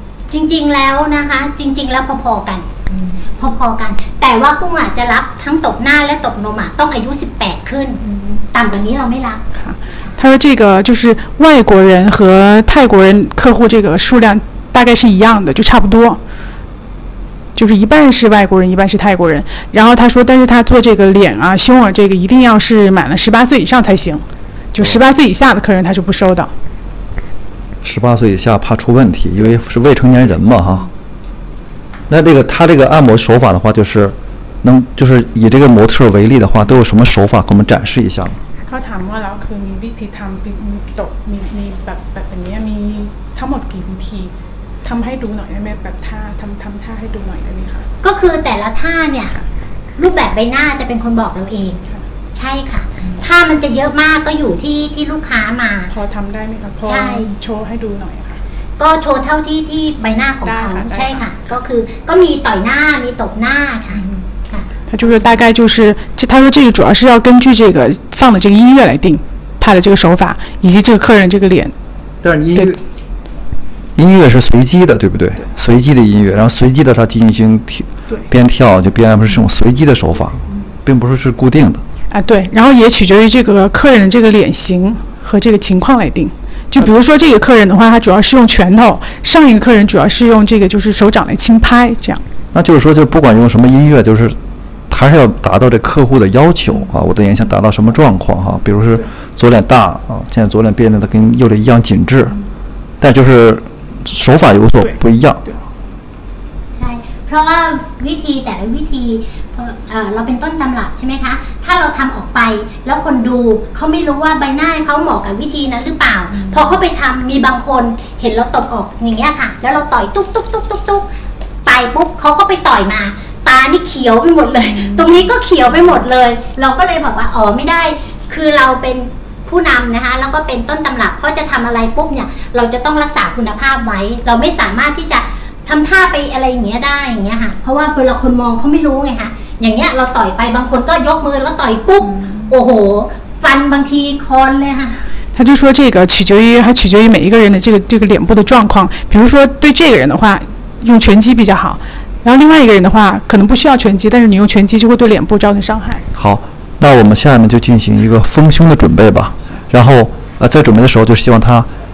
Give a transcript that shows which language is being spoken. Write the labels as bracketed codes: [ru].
[th] จริงๆแล้วนะคะจริงๆแล้วพอๆกันพอๆกันแต่ว่ากุ้งอ่ะจะรับทั้งตบหน้าและตบนมอ่ะต้องอายุ18ขึ้นต่ำกว่านี้เราไม่รับ [zh] 他说这个就是外国人和泰国人客户这个数量大概是一样的就差不多就是一半是外国人一半是泰国人然后他说但是他做这个脸啊胸啊这个一定要是满了18岁以上才行就18岁以下的客人他是不收的 18岁以下怕出问题因为是未成年人嘛哈那这个他这个按摩手法的话就是能就是以这个模特为例的话都有什么手法给我们展示一下吗 [th] เขาถามว่าแล้วคือมีวิธีทำมีตบมีแบบนี้มีทั้งหมดกี่วิธีทำให้ดูหน่อยได้ไหมแบบท่าทำท่าให้ดูหน่อยได้ไหมคะ ก็คือแต่ละท่าเนี่ยรูปแบบใบหน้าจะเป็นคนบอกเราเองใช่ค่ะท่ามันจะเยอะมากก็อยู่ที่ลูกค้ามา พอทำได้ไหมคะ ใช่โชว์ให้ดูหน่อย ก็โชว์เท่าที่ใบหน้าของเขาใช่ค่ะก็คือก็มีต่อยหน้ามีตบหน้าค่ะ เขาจะว่า [zh] 大概就是这他说这个主要是要根据这个放的这个音乐来定他的这个手法以及这个客人这个脸但是音乐是随机的对不对随机的音乐然后随机的他进行边跳就边不是这种随机的手法并不是是固定的啊对然后也取决于这个客人的这个脸型和这个情况来定就比如说这个客人的话他主要是用拳头上一个客人主要是用这个就是手掌来轻拍这样那就是说就不管用什么音乐就是还是要达到这客户的要求啊，我的脸想达到什么状况哈、啊？比如是左脸大啊，现在左脸变得跟右脸一样紧致，但就是手法有所不一样。 [th] ใช่เพราะว่าวิธีแต่ละวิธีเราเป็นต้นตำรับใช่ไหมคะถ้าเราทำออกไปแล้วคนดูเขาไม่รู้ว่าใบหน้าเขาเหมาะกับวิธีนั้นหรือเปล่าพอเขาไปทำมีบางคนเห็นเราตบออกอย่างเงี้ยค่ะแล้วเราต่อยตุ๊กตุ๊กตุ๊กตุ๊กตุ๊ก ไปปุ๊บเขาก็ไปต่อยมาตานี่เขียวไปหมดเลยตรงนี้ก็เขียวไปหมดเลยเราก็เลยบอกว่าอ๋อไม่ได้คือเราเป็นผู้นำนะคะแล้วก็เป็นต้นตำรับเขาจะทำอะไรปุ๊บเนี่ยเราจะต้องรักษาคุณภาพไว้เราไม่สามารถที่จะทำท่าไปอะไรอย่างเงี้ยได้อย่างเงี้ยค่ะเพราะว่าเวลาคนมองเขาไม่รู้ไงคะอย่างเงี้ยเราต่อยไปบางคนก็ยกมือแล้วต่อยปุ๊บโอ้โหฟันบางทีคอนเลยค่ะ [zh] 他就说这个取决于每一个人的这个脸部的状况比如说对这个人的话用拳击比较好然后另外一个人的话可能不需要拳击但是你用拳击就会对脸部造成伤害好那我们下面就进行一个丰胸的准备吧然后在准备的时候就希望他